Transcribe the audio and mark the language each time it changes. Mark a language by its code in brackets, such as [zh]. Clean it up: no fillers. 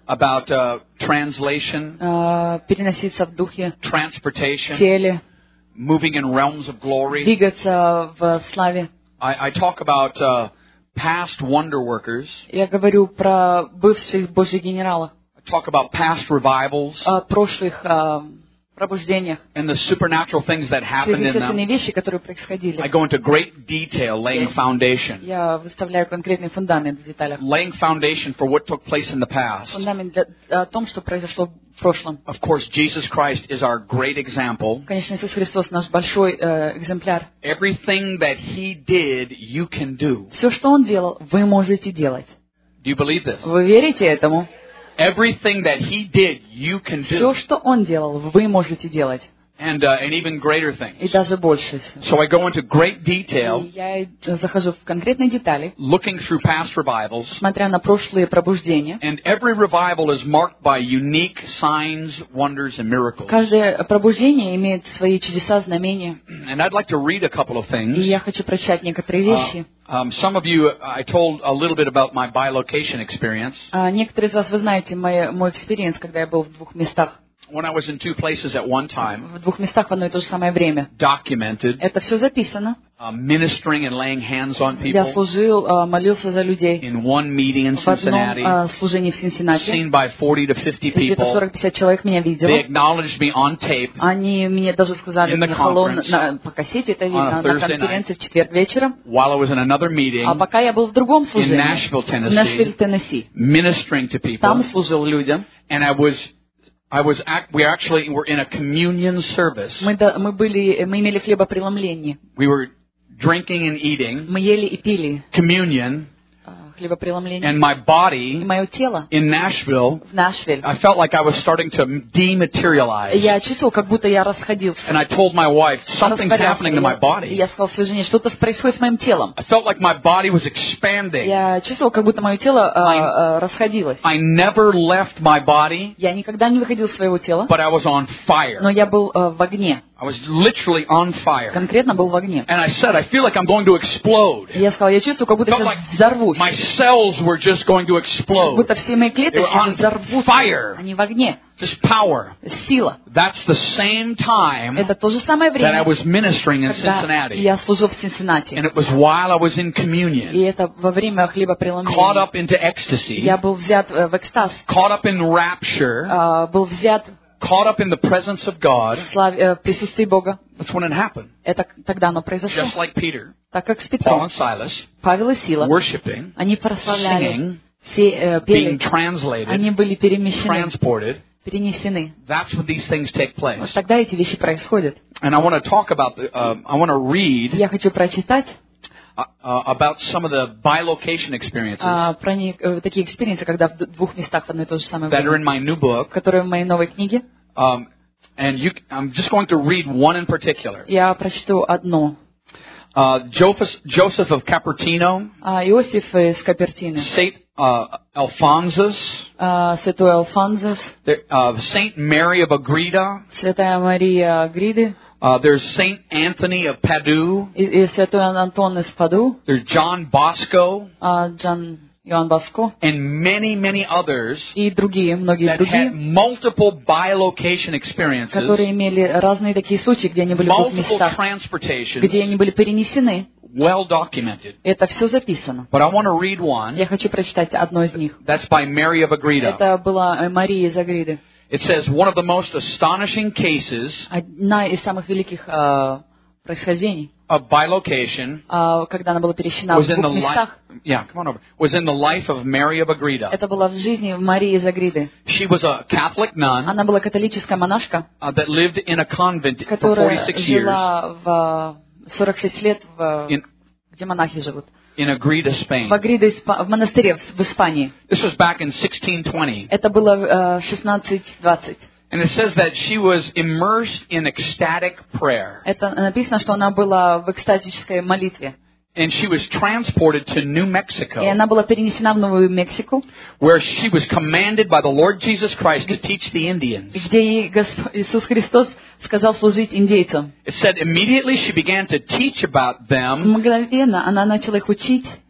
[en] About translation. [ru] Переноситься в духе. [en] Transportation. [ru] Теле. [en] Moving in realms of glory. [ru] Двигаться в славе. [en] I talk about past wonder workers. [ru] Я говорю про бывших Божьих генералов. [en] I talk about past revivals. [ru] Прошлых пробуждениях. [en] And the supernatural things that happened in them. [ru] Вещи, которые происходили. [en] I go into great detail laying foundation. [ru] Я выставляю конкретный фундамент в деталях. [en] Laying foundation for what took place in the past. [ru] Фундамент для, о том, что произошло в прошлом. [en] Of course, Jesus Christ is our great example. [ru] Конечно, Иисус Христос наш большой экземпляр. [en] Everything that he did, you can do. [ru] Все, что он делал, вы можете делать. [en] Do you believe this? [ru] Вы верите этому? [en] Everything that he did, you can do. [ru] Все, что он делал, вы можете делать. [en] And even greater things. [ru] И даже больше. [en] So I go into great detail. [ru] Я захожу в конкретные детали. [en] Looking through past revivals. [ru] Смотря на прошлые пробуждения. [en] And every revival is marked by unique signs, wonders, and miracles. [ru] Каждое пробуждение имеет свои чудеса, знамения. [en] And I'd like to read a couple of things. [ru] И я хочу прочитать некоторые вещи. [en] Some of you, I told a little bit about my bilocation experience. [ru] Некоторые из вас вы знаете мой experience, когда я был в двух местах. [en] When I was in two places at one time. [ru] В двух местах в одно и то же самое время. [en] Documented. [ru] Это все записано. [en] Ministering and laying hands on people. [ru] Я служил, молился за людей. [en] In one meeting in Cincinnati. [ru] В одном служении в Cincinnati. [en] Seen by 40 to 50 people. [ru] Где-то 40-50 человек меня видел. [en] They acknowledged me on tape. [ru] Они мне даже сказали, [en] in the conference. [ru] По кассете это видно, на конференции в четверг вечером. [en] While I was in another meeting. [ru] А пока я был в другом служении. [en] In Nashville, Tennessee. [ru] Нашвилл, Теннесси. [en] Ministering to people. [ru] Там служил людям. [en] And we were in a communion service. [ru] Мы имели хлебопреломление. [en] We were drinking and eating. [ru] Мы ели и пили. [en] Communion. [ru] Хлебопреломление. [en] And my body. [ru] И мое тело. [en] In Nashville. [ru] В Нашвилле. [en] I felt like I was starting to dematerialize. [ru] Я чувствовал, как будто я расходился. [en] And I told my wife, something's happening to my body. [ru] Я сказал своей жене, что-то происходит с моим телом. [en] I felt like my body was expanding. [ru] Я чувствовал, как будто мое тело расходилось. [en] I never left my body. [ru] Я никогда не выходил из своего тела. [en] But I was on fire. [ru] Но я был в огне. [en] I was literally on fire. [ru] Конкретно был в огне. [en] And I said, I feel like I'm going to explode. [ru] Я сказал, я чувствую, как будто сейчас взорвусь. [en] My cells were just going to explode. [ru] Как будто все мои клетки взорвутся. [en] Fire. [ru] Они в огне. [en] Just power. [ru] Сила. [en] That's the same time. [ru] Это то же самое время. [en] That I was ministering in Cincinnati. [ru] Я служил в Cincinnati. [en] And it was while I was in communion. [ru] И это во время хлебопреломления. [en] Caught up into ecstasy. [ru] Я был взят в экстаз. [en] Caught up in rapture. [ru] Был взят. [en] Caught up in the presence of God. [ru] Присутствие Бога. [en] That's when it happened. [ru] Это тогда оно произошло. [en] Just like Peter. [ru] Так как с Петром. [en] Paul and Silas. [ru] Павел и Сила. [en] Worshipping. [ru] Они прославляли. [en] Singing. [ru] Пели. [en] Being translated. [ru] Они были перемещены. [en] Transported. [ru] Перенесены. [en] That's when these things take place. [ru] Вот тогда эти вещи происходят. [en] And I want to talk about the. I want to read. [ru] Я хочу прочитать. [en] About some of the bilocation experiences. [ru] Про такие экспириенсы, когда в двух местах в одно и то же самое время. [en] That are in my new book. [ru] Которые в моей новой книге. [en] I'm just going to read one in particular. [ru] Я прочту одно. [en] Joseph of Capertino. [ru] Иосиф из Капертины. [en] Saint Alphonsus. [ru] Святой Алфонсус. [en] Saint Mary of Agreda. [ru] Святая Мария Агриды. [en] There's Saint Anthony of Padua. [ru] И святой Антон из Паду. [en] There's John Bosco. [ru] Иоанн Боско. [en] And many, many others. [ru] И другие, многие [en] that [ru] другие. [en] That had multiple bilocation experiences. [ru] Которые имели разные такие случаи, где они были в местах. [en] Multiple transportations. [ru] Где они были перенесены. [en] Well documented. [ru] Это все записано. [en] But I want to read one. [ru] Я хочу прочитать одно из них. [en] That's by Mary of Agreda. [ru] Это была Мария из Агриды. [en] It says one of the most astonishing cases of bilocation was in the life. Yeah, come on over. Was in the life of Mary of Agreda. [ru] Это было в жизни Марии из Агриды. [en] She was a Catholic nun. [ru] Она была католическая монашка. [en] That lived in a convent for 46 years. [ru] Которая жила в 46 лет в где монахи живут. [en] In Agreda, Spain. [ru] В Агриде, в монастыре в Испании. [en] This was back in 1620. [ru] Это было 1620. [en] And it says that she was immersed in ecstatic prayer. [ru] Это написано, что она была в экстатической молитве. [en] And she was transported to New Mexico. [ru] И она была перенесена в Новую Мексику. [en] Where she was commanded by the Lord Jesus Christ to teach the Indians. [ru] Где ей Иисус Христос сказал служить индейцам. [en] It said immediately she began to teach about them. [ru] Мгновенно она начала их учить.